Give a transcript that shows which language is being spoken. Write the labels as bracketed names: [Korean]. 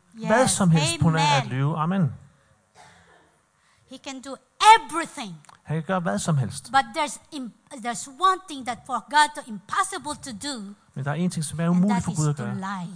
[Danish] Hvad som helst på nær at lyve. Amen. [English] He can do everything. [Danish] Han kan gøre hvad som helst. [English] But there's one thing that for God to impossible to do. [Danish] Men der er en ting, som er umuligt for Gud at gøre.